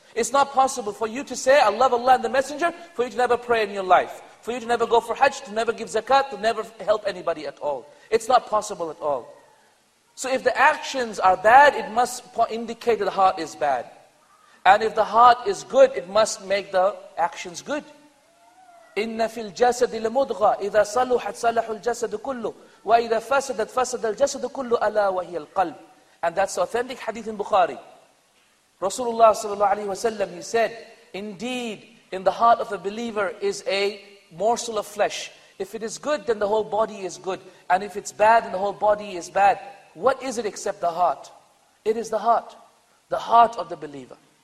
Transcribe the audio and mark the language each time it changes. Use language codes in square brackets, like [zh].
[en] It's not possible for you to say I love Allah and the Messenger for you to never pray in your life, for you to never go for Hajj, to never give zakat, to never help anybody at all. It's not possible at all. So if the actions are bad, it must indicate that the heart is bad. And if the heart is good, it must make the actions good. [ar] إِنَّ فِي الْجَسَدِ لَمُضْغَى إِذَا صَلُحَتْ صَلَحُ الْجَسَدُ كُلُّ وَإِذَا فَسَدَتْ فَسَدَ الْجَسَدُ كُلُّ أَلَا وَهِيَ الْقَلْبُ [en] And that's authentic hadith in Bukhari. Rasulullah sallallahu alaihi wasallam, he said, indeed, in the heart of a believer is a morsel of flesh. If it is good, then the whole body is good. And if it's bad, then the whole body is bad. What is it except the heart? It is the heart. The heart of the believer.